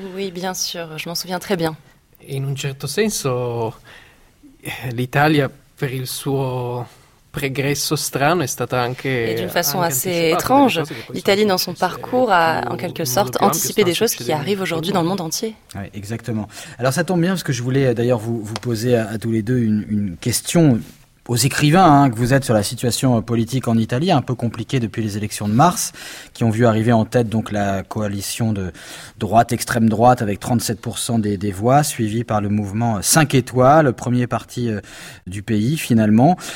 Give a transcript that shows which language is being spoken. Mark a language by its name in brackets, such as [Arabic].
[French] Oui, bien sûr, je m'en souviens très bien. [Italian] In un certo senso, l'Italia, per il suo progresso strano è stata anche. [French] Et d'une façon assez étrange, l'Italie, dans son parcours, a en quelque sorte anticipé des choses qui arrivent aujourd'hui dans le monde entier. Oui, exactement. Alors ça tombe bien, parce que je voulais d'ailleurs vous poser à tous les deux une question aux écrivains hein, que vous êtes sur la situation politique en Italie, un peu compliquée depuis les élections de mars, qui ont vu arriver en tête donc la coalition de droite, extrême droite, avec 37% des voix, suivie par le mouvement 5 étoiles, le premier parti du pays finalement.